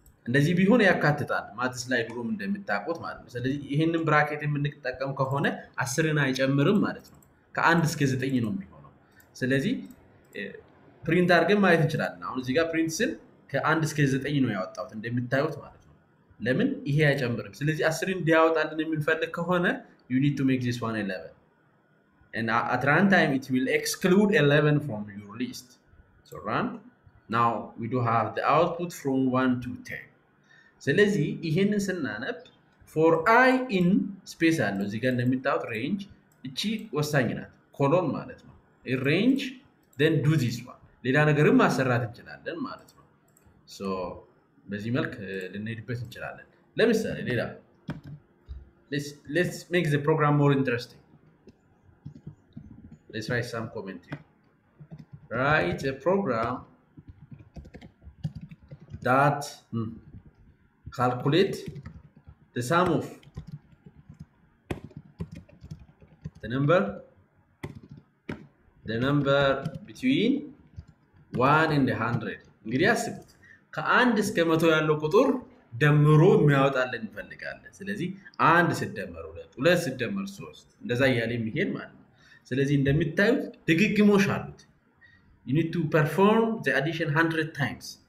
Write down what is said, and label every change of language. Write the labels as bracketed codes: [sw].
[am] እንደዚህ ቢሆን ያካትታል ማትስ ላይ ድሮም እንደምታቆት ማለት ነው። ስለዚህ ይሄንን ብራኬት የምንጠቀም ከሆነ 10 ን አይጨምርም ማለት ነው። ከአንድ እስከ 9 ነው የሚሆነው። ስለዚህ ፕሪንት አድርገን ማየት እንችላለን። አሁን እዚህ ጋር ፕሪንት ስል ከአንድ እስከ 9 ነው ያወጣሁት እንደምታዩት ማለት ነው። ለምን ይሄ አይጨምርም? ስለዚህ 10 ን ዲያወጣልን የምንፈልግ ከሆነ [en] you need to make this one 11 and at runtime it will exclude 11 from your list. So run. Now we do have the output from 1 to 10. [am] ስለዚህ ይሄንን ስናነብ [en] for i in space [am] አለ እዚህ ጋር እንደምታውቁት range እቺ ወሳኝ ናት ኮሎን ማለት ነው። [en] a range then do this one. [am] ሌላ ነገርም ማሰራት እንችላለን ማለት ነው። So በዚህ መልክ ልንሄድበት እንችላለን። ለምሳሌ ሌላ [en] let's make the program more interesting. Let's write some commentary. Write a program that calculate the sum of the number between 1 and 100. [am] እንግዲህ አስቡት ከአንድ እስከ 100 ያለው ቁጥር ደምሮ የሚያወጣልን ይፈልጋል። ስለዚህ 1 ሲደመር 2 2 ሲደመር 3 እንደዛ ያለ የሚሄድ ማለት ነው። ስለዚህ እንደምታዩት ድግግሞሽ አሉት። [en] You need to perform the addition 100 times.